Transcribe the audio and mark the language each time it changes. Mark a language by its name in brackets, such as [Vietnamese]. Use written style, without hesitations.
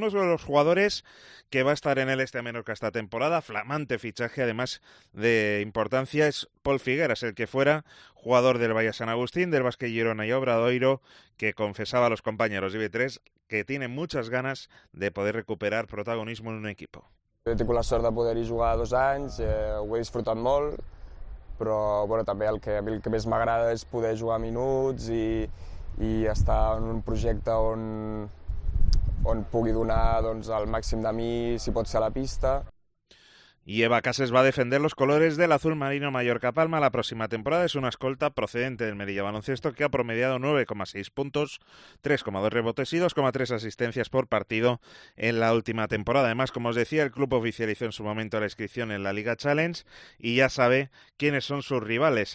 [Spanish] Uno de los jugadores que va a estar en el Estia Menorca esta temporada, flamante fichaje además de importancia, es Pol Figueras, el que fuera jugador del Valle San Agustín, del Basque Girona y Obradoiro, que confesaba a los compañeros de IB3 que tiene muchas ganas de poder recuperar protagonismo en un equipo. [Catalan] He tingut la sort de poder-hi jugar 2 anys, ho he disfrutat molt, però bueno, també el que més m'agrada és poder jugar minuts i estar en un projecte on pugui donar, doncs, el màxim de mi, si pot ser a la pista. [Spanish] Y Eva Cases va a defender los colores del azul marino Mallorca-Palma. La próxima temporada es una escolta procedente del Melilla Baloncesto que ha promediado 9,6 puntos, 3,2 rebotes y 2,3 asistencias por partido en la última temporada. Además, como os decía, el club oficializó en su momento la inscripción en la Liga Challenge y ya sabe quiénes son sus rivales.